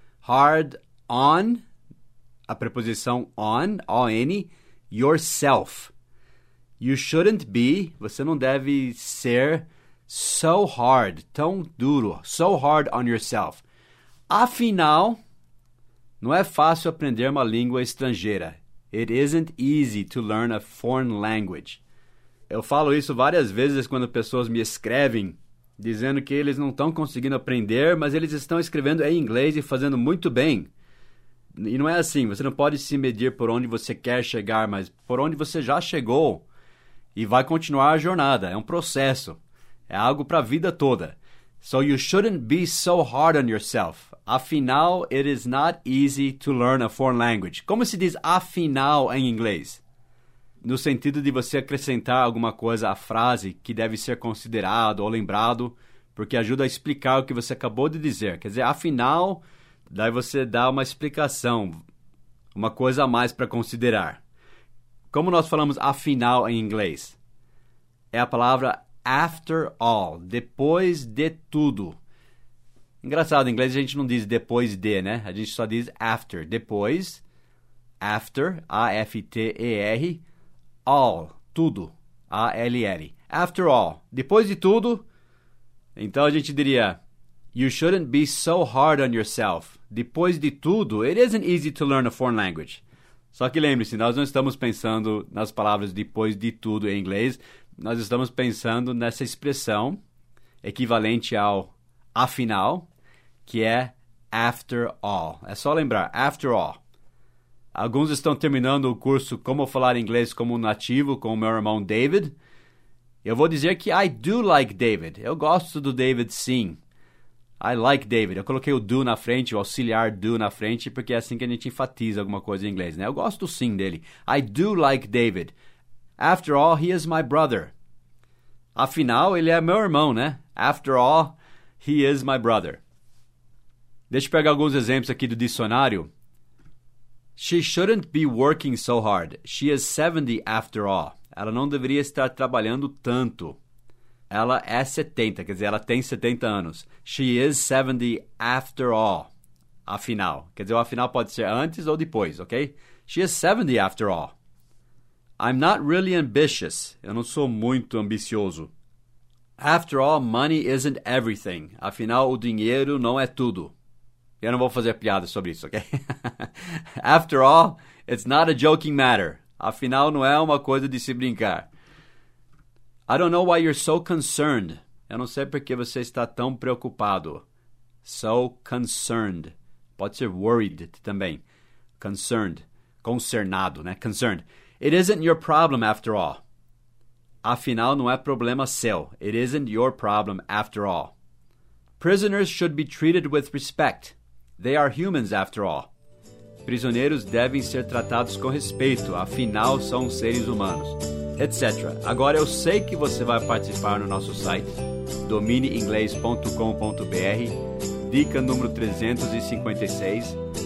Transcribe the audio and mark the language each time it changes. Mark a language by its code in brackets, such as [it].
[en] Hard on, [pt] a preposição [en] on, O-N, yourself. You shouldn't be, [pt] você não deve ser [en] so hard, [pt] tão duro, [en] so hard on yourself. [pt] Afinal, não é fácil aprender uma língua estrangeira. [en] It isn't easy to learn a foreign language. [pt] Eu falo isso várias vezes quando pessoas me escrevem, dizendo que eles não estão conseguindo aprender, mas eles estão escrevendo em inglês e fazendo muito bem. E não é assim, você não pode se medir por onde você quer chegar, mas por onde você já chegou e vai continuar a jornada. É um processo, é algo para a vida toda. [en] So you shouldn't be so hard on yourself. Afinal, it is not easy to learn a foreign language. [pt] Como se diz afinal em inglês? No sentido de você acrescentar alguma coisa à frase que deve ser considerado ou lembrado, porque ajuda a explicar o que você acabou de dizer. Quer dizer, afinal, daí você dá uma explicação, uma coisa a mais para considerar. Como nós falamos afinal em inglês? É a palavra after all, depois de tudo. Engraçado, em inglês a gente não diz depois de, né? A gente só diz after, depois, after, A-F-T-E-R, all, tudo, A-L-L. [en] After all, [pt] depois de tudo, então a gente diria, [en] you shouldn't be so hard on yourself. [pt] Depois de tudo, [en] it isn't easy to learn a foreign language. [pt] Só que lembre-se, nós não estamos pensando nas palavras depois de tudo em inglês, nós estamos pensando nessa expressão equivalente ao afinal, que é after all. É só lembrar, after all. Alguns estão terminando o curso Como Falar Inglês Como Nativo com o meu irmão David. Eu vou dizer que [en] I do like David. [pt] Eu gosto do David, sim. [en] I like David. [pt] Eu coloquei o do na frente, o auxiliar do na frente, porque é assim que a gente enfatiza alguma coisa em inglês, né? Eu gosto sim dele. [en] I do like David. After all, he is my brother. [pt] Afinal, ele é meu irmão, né? [en] After all, he is my brother. [pt] Deixa eu pegar alguns exemplos aqui do dicionário. [en] She shouldn't be working so hard. She is 70 after all. [pt] Ela não deveria estar trabalhando tanto. Ela é 70, quer dizer, ela tem 70 anos. [en] She is 70 after all. Afinal. [pt] Quer dizer, o afinal pode ser antes ou depois, ok? [en] She is 70 after all. I'm not really ambitious. [pt] Eu não sou muito ambicioso. [en] After all, money isn't everything. [pt] Afinal, o dinheiro não é tudo. Eu não vou fazer piada sobre isso, ok? [en] After all, it's not a joking matter. [pt] Afinal, não é uma coisa de se brincar. [en] I don't know why you're so concerned. [pt] Eu não sei porque você está tão preocupado. [en] So concerned. [pt] Pode ser worried também. Concerned. Concernado, né? Concerned. [en] It isn't your problem after all. [pt] Afinal, não é problema seu. [en] It isn't your problem after all. Prisoners should be treated with respect. They are humans after all. [pt] Prisioneiros devem ser tratados com respeito, afinal são seres humanos, etc. Agora eu sei que você vai participar no nosso site, domineinglês.com.br, dica número 356.